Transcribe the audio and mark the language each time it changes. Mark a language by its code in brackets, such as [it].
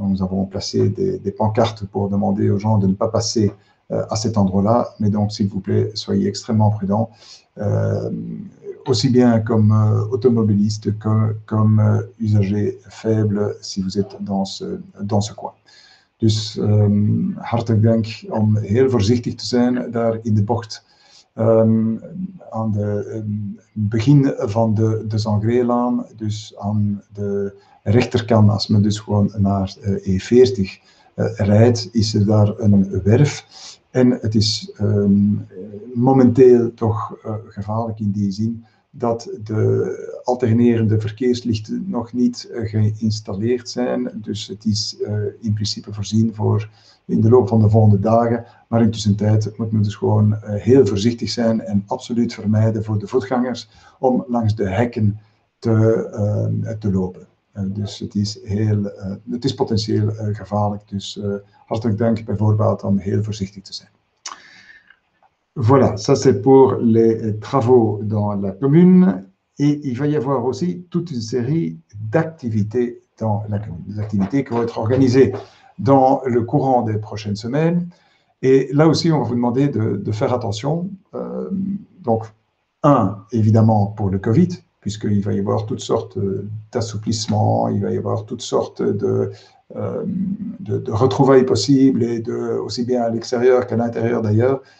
[fr] Donc nous avons placé des pancartes pour demander aux gens de ne pas passer à cet endroit-là, mais donc s'il vous plaît soyez extrêmement prudents, aussi bien comme automobiliste que comme usager faible si vous êtes dans ce coin. [nl] Dus hartelijk dank om heel voorzichtig te zijn daar in de bocht aan het begin van de Zangreelaan, dus aan de rechterkant als men dus gewoon naar E40 rijdt, is er daar een werf en het is momenteel toch gevaarlijk in die zin dat de alternerende verkeerslichten nog niet geïnstalleerd zijn. Dus het is in principe voorzien voor in de loop van de volgende dagen. Maar in tussentijd moet men dus gewoon heel voorzichtig zijn en absoluut vermijden voor de voetgangers om langs de hekken te lopen. Dus het is potentieel gevaarlijk. Dus hartelijk dank bijvoorbeeld om heel voorzichtig te zijn. [fr] Voilà, ça c'est pour les travaux dans la commune et il va y avoir aussi toute une série d'activités dans la commune, des activités qui vont être organisées dans le courant des prochaines semaines et là aussi on va vous demander de faire attention, donc un évidemment pour le Covid puisqu'il va y avoir toutes sortes d'assouplissements, il va y avoir toutes sortes de retrouvailles possibles et aussi bien à l'extérieur qu'à l'intérieur d'ailleurs.